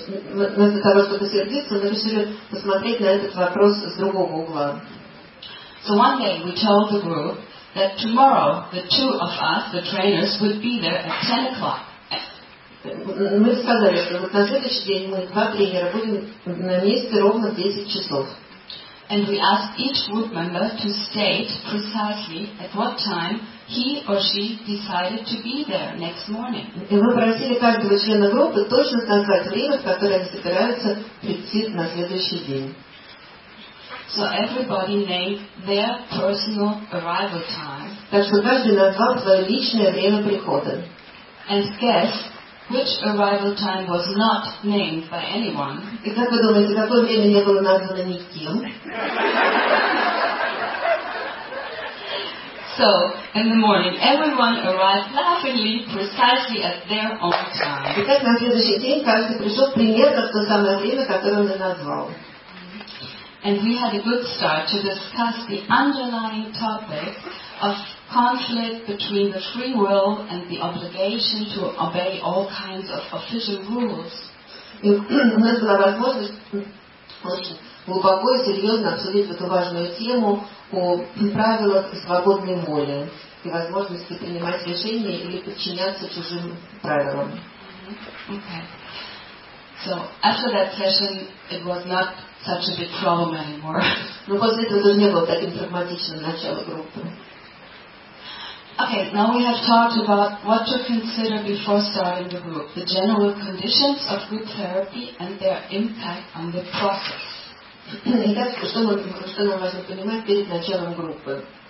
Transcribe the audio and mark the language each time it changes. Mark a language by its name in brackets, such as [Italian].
[Russian] Вместо того, чтобы сердиться, мы решили посмотреть на этот вопрос с другого угла. [English] So one day we told the group that tomorrow the two of us, the trainers, would be there at 10 o'clock. [Russian] Мы сказали, что вот на следующий день мы, два тренера, будем на месте ровно в 10 часов. [English] And we asked each group member to state precisely at what time he or she decided to be there next morning. [Russian] И мы просили каждого члена группы точно сказать время, в которое они собираются прийти на следующий день. [English] So everybody named their personal arrival time. [Russian] Так что каждый назвал свое личное время прихода. [English] And guess which arrival time was not named by anyone? [Russian] И как вы думаете, какое время не было названо никем? [English] So, in the morning, everyone arrived laughingly precisely at their own time. [Russian] И так на следующий день каждый пришел примерно в то самое время, которое он и назвал. [English] And we had a good start to discuss the underlying topic of conflict between the free will and the obligation to obey all kinds of official rules. [Russian] И у нас была возможность очень глубоко и серьезно обсудить эту важную тему о правилах свободной воли и возможности принимать решения или подчиняться чужим правилам. [English] Okay. So after that session, it was not such a big problem anymore. [Russian] Но после этого тоже не было таким травматичным начало группы. [English] Okay, now we have talked about what to consider before starting the group, the general conditions of group therapy and their impact on the process. [Russian] Итак, что нам важно понимать перед началом группы?